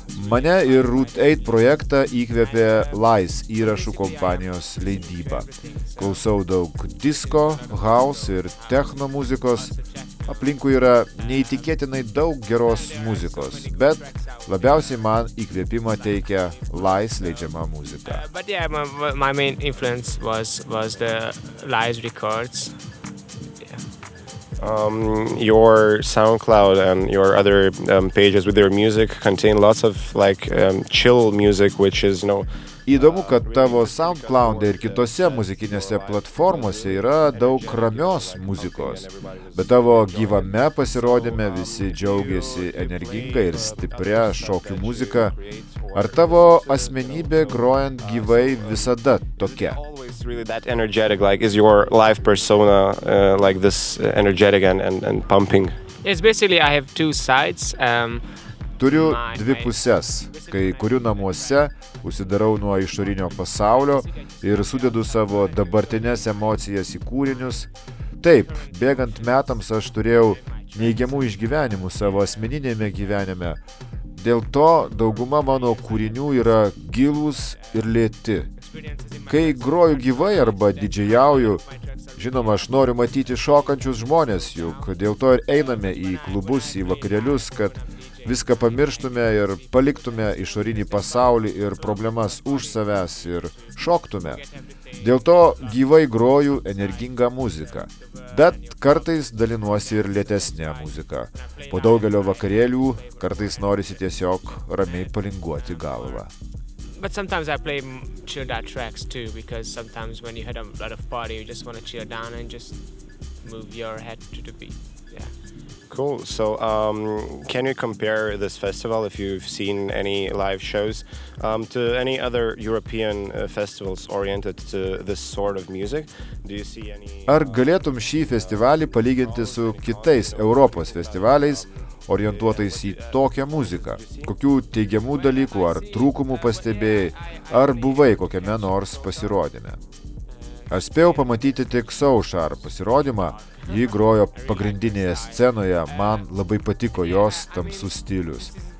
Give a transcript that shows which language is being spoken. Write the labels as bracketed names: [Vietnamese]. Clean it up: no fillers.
[Lithuanian] Mane ir Root 8 projektą įkvėpė Lies įrašų kompanijos leidyba. Klausau daug disco, house ir techno muzikos. Aplinkui yra neįtikėtinai daug geros muzikos, bet labiausiai man įkvėpimą teikia Lies leidžiama muzika. [English] But yeah, my main influence was the Lies records. Your SoundCloud and your other pages with your music contain lots of like chill music, which is, you know. [Lithuanian] Įdomu, kad tavo SoundCloud ir kitose muzikinėse platformose yra daug ramios muzikos, bet tavo gyvame pasirodyme visi džiaugiasi energinga ir stipria šokių muzika. Ar tavo asmenybė grojant gyvai visada tokia? [English] Really that energetic, like is your live persona like this energetic and pumping? It's basically I have two sides. [Lithuanian] Turiu dvi puses, kai kuriu namuose, užsidarau nuo išorinio pasaulio ir sudedu savo dabartines emocijas į kūrinius. Taip, bėgant metams aš turėjau neigiamų išgyvenimų savo asmeninėme gyvenime. Dėl to dauguma mano kūrinių yra gilūs ir lėti. Kai groju gyvai arba didžėjauju, žinoma, aš noriu matyti šokančius žmonės, juk dėl to ir einame į klubus, į vakarėlius, kad viską pamirštume ir paliktume išorinį pasaulį ir problemas už savęs ir šoktume. Dėl to gyvai groju energingą muziką. Bet kartais dalinuosi ir lėtesnė muzika. Po daugelio vakarėlių kartais norisi tiesiog ramiai palinguoti galvą. [English] But sometimes I play chilled out tracks too, because sometimes when you had a lot of party, you just want to chill down and just move your head to the beat. Yeah. Cool. So, can you compare this festival, if you've seen any live shows, to any other European festivals oriented to this sort of music? Do you see any? [Lithuanian] Ar galėtum šį festivalį palyginti su kitais Europos festivaliais, orientuotais į tokią muziką? Kokių teigiamų dalykų ar trūkumų pastebėjai, ar buvai kokiame nors pasirodyme? Aš spėjau pamatyti tik SoSharp pasirodymą, jį grojo pagrindinėje scenoje, man labai patiko jos tamsus stilius.